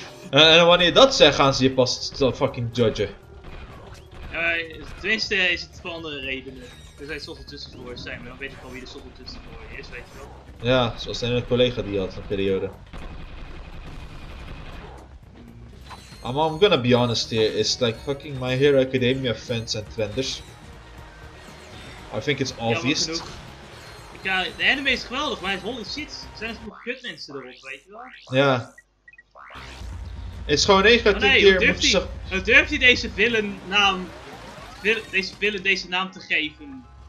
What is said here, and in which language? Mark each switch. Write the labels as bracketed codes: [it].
[nl] En wanneer je dat zegt, gaan ze je pas fucking judgen. Tenminste is het voor andere redenen. Er zijn zoveel tussenvoerders, zijn, maar dan weet ik al wie de zoveel tussenvoerder is, weet je wel. Ja, zoals zijn een collega die had, een periode. [en] I'm gonna be honest here, it's like fucking My Hero Academia fans and trenders. I think it's obvious. [nl] Ja, de anime is geweldig, maar holy shit, zijn er zoveel kutmensen erop, weet je wel? Ja. Het is gewoon negatief hier. Nee, durft hij deze villain naam... deze naam te geven?